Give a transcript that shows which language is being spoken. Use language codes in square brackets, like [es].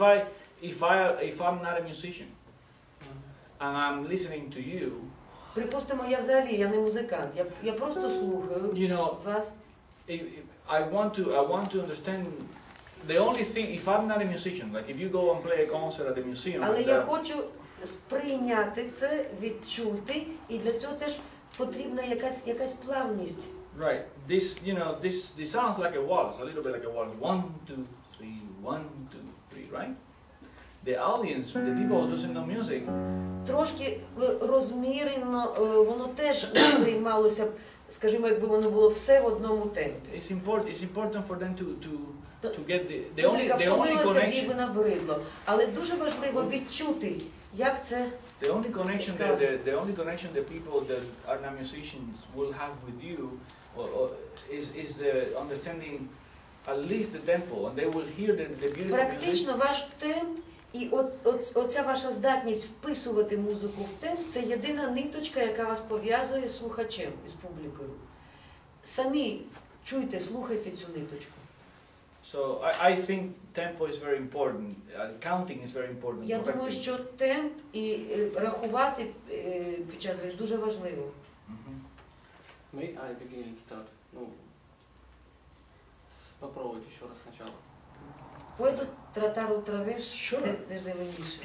[en] Like if I'm not a musician and I'm listening to you. [uk] Припустимо, я взагалі я не музикант. Я просто слухаю. [en] You know, [uk] вас. [en] I want to understand the only thing if I'm not a musician, like if you go and play a concert at the museum. [uk] Але я хочу сприйняти це, відчути, і для цього теж потрібна якась плавність. [en] Right. This sounds like a waltz, a little bit like a waltz. 1, 2, 3, 1, 2, 3, right? The audience, the people who listen to music. [uk] Трошки розмірено, воно теж приймалося б, скажімо, якби воно було все в одному темпі. [en] It's important for them to get the only connection. [uk] Їй би набридло, але дуже важливо відчути, як це. [en] The only connection the people that are not musicians will have with you. Is the understanding at least the tempo, and they will hear the beautiful [uk] практично [en] music. [uk] Ваш темп і оця ваша здатність вписувати музику в темп – це єдина ниточка, яка вас пов'язує з слухачем і з публікою. Самі чуйте, слухайте цю ниточку. [en] So I think tempo is very important, counting is very important. [uk] Я думаю, що темп і рахувати під час гри дуже важливо. [en] May I begin instead? [uk] Ну, попробуйте ще раз спочатку. Пойду тратару травеш, що десь вийшло.